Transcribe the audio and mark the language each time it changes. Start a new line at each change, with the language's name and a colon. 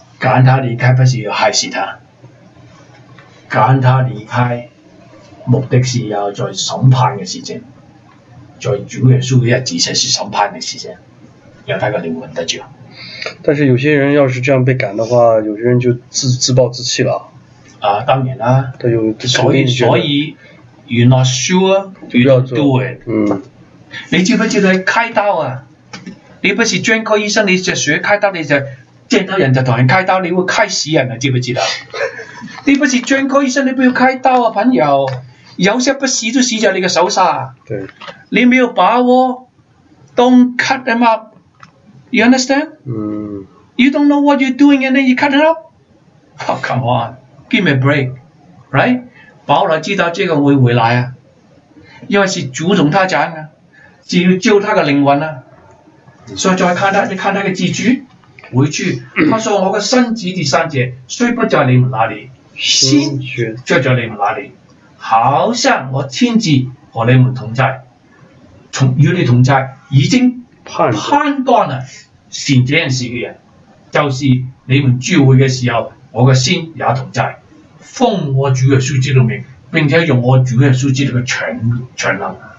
Chinese: 赶他离开不是要害死他，赶他离开目的是要在审判的时间，在主耶稣的日子才是审判的时间，要他的灵魂得救。但是有些人要是这样被赶的话，有些人就自暴自弃了。啊，当然啦。他有所以
English: ，you're not sure you don't do it。
Chinese: 嗯。你记不记得开刀啊？你不是专科医生，你就学开刀，你就见到人就同人开刀，你会开死人的，记不记得？你不是专科医生，你不要开刀啊，朋友。有些不死就死在你的手上。对。你没有把握
English: ，don't cut them up。You understand? You don't know what you're doing and then you cut it off? Oh, come on. Give me a break. Right?
Chinese: 保罗知道这个会回来啊，因为是主同他讲啊，只要救他的灵魂啊。所以再看他，你看他的字句，回去他说我的身子第三节虽不在你们那里，心却在你们那里，好像我亲自和你们同在，从与你同在已经判断了信这件事的人，就是你们聚会的时候，我的心也同在，奉我主耶稣基督的名，并且用我主耶稣基督的全能，